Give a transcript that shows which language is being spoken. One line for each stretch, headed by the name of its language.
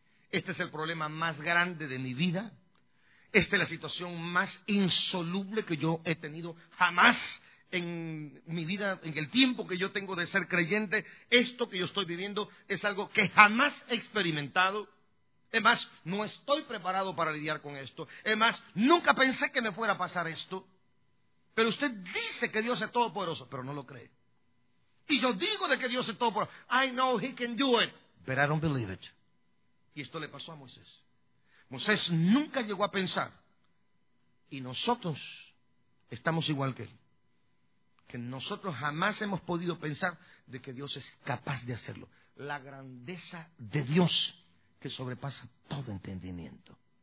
Spanish: Este es el problema más grande de mi vida. Esta es la situación más insoluble que yo he tenido jamás en mi vida, en el tiempo que yo tengo de ser creyente. Esto que yo estoy viviendo es algo que jamás he experimentado. Es más, no estoy preparado para lidiar con esto. Es más, nunca pensé que me fuera a pasar esto. Pero usted dice que Dios es todopoderoso, pero no lo cree. Y yo digo de que Dios es todopoderoso.
English: I know he can do it, but I don't believe it.
Spanish: Y esto le pasó a Moisés. Moisés nunca llegó a pensar. Y nosotros estamos igual que él. Que nosotros jamás hemos podido pensar de que Dios es capaz de hacerlo. La grandeza de Dios que sobrepasa todo entendimiento.